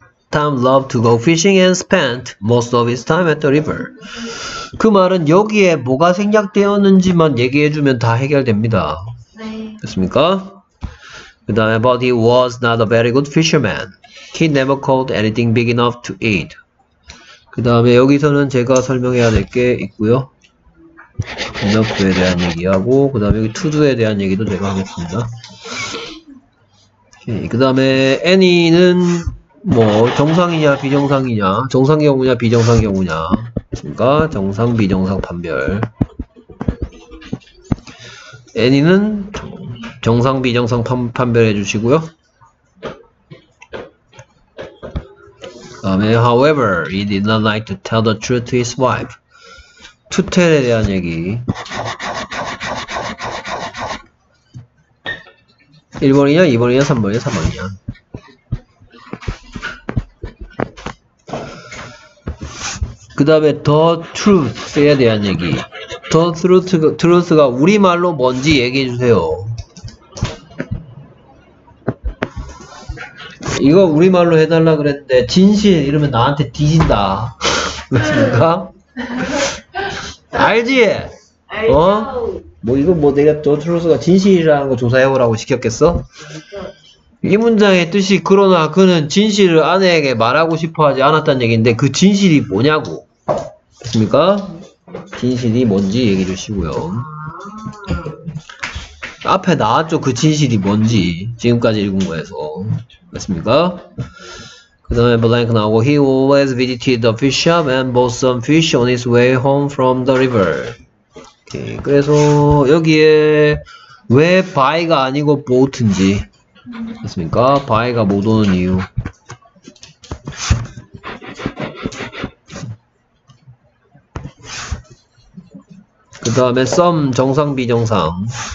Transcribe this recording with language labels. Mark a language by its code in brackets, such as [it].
[en] Tom loved to go fishing and spent most of his time at the river. [ko] 그 말은 여기에 뭐가 생략되었는지만 얘기해주면 다 해결됩니다. 됐습니까? 그 다음에 [en] but he was not a very good fisherman. He never caught anything big enough to eat. [ko] 그 다음에 여기서는 제가 설명해야 될 게 있고요. enough에 대한 얘기하고 그 다음에 여기 to do에 대한 얘기도 제가 하겠습니다. 그 다음에 any는 뭐 정상이냐 비정상이냐 정상 경우냐 비정상 경우냐 그러니까 정상 비정상 판별 any는 정상 비정상 판별해 주시고요. 다음에 [en] however he did not like to tell the truth to his wife. [ko] to tell에 대한 얘기 1번이냐 2번이냐 3번이냐 3번이냐 그 다음에 the truth에 대한 얘기 the truth가 우리말로 뭔지 얘기해 주세요. 이거 우리말로 해달라 그랬는데 진실 이러면 나한테 뒤진다. 그렇습니까? 알지? 알죠. 어? 뭐 이거 뭐 내가 조트로스가 진실이라는 거 조사해오라고 시켰겠어? 이 문장의 뜻이 그러나 그는 진실을 아내에게 말하고 싶어하지 않았다는 얘기인데 그 진실이 뭐냐고. 그렇습니까? 진실이 뭔지 얘기 주시고요. 앞에 나왔죠. 그 진실이 뭔지 지금까지 읽은 거에서. 맞습니까? 그 다음에 블랭크 나오고 [en] He always visited the fisherman bought some fish on his way home from the river. [ko] 오케이. 그래서 여기에 왜 바이가 아니고 보트인지. 맞습니까? 바이가 못 오는 이유. 그 다음에 some 정상 비정상.